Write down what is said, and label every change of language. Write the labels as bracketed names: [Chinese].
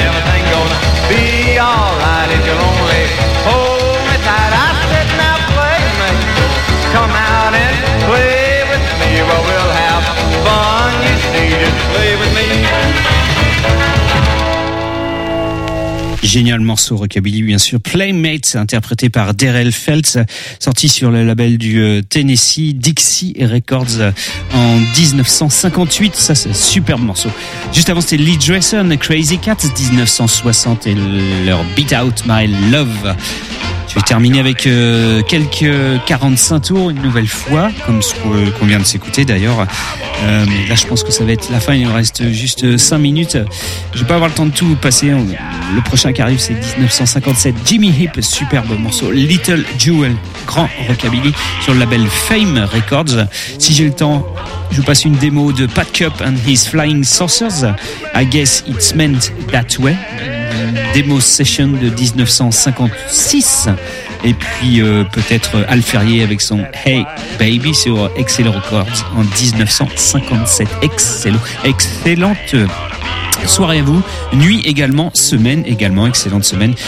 [English] Everything gonna be alright if you're lonely. Hold me tight. I said, now playmate, come out and play with me. Well, we'll have fun, you see, just play with me. [French] Génial morceau rockabilly, bien sûr. Playmate, interprété par Darrell Feltz, sorti sur le label du Tennessee, Dixie Records, en 1958. Ça, c'est un superbe morceau. Juste avant, c'était Lee Dresden, Crazy Cat, 1960, et leur Beat Out My Love. Je vais terminer avec quelques 45 tours une nouvelle fois, comme ce qu'on vient de s'écouter d'ailleurs. Là, je pense que ça va être la fin, il nous reste juste 5 minutes. Je vais pas avoir le temps de tout passer. Le prochain qui arrive, c'est 1957. Jimmy Heap, superbe morceau. Little Jewel, grand rockabilly sur le label Fame Records. Si j'ai le temps, je vous passe une démo de Pat Cupp and His Flying Saucers. [English] I guess it's meant that way. [French] Demo session de 1956, et puis peut-être Al Ferrier avec son Hey Baby sur Excel Records en 1957. Excellente soirée à vous, nuit également, semaine également, excellente semaine.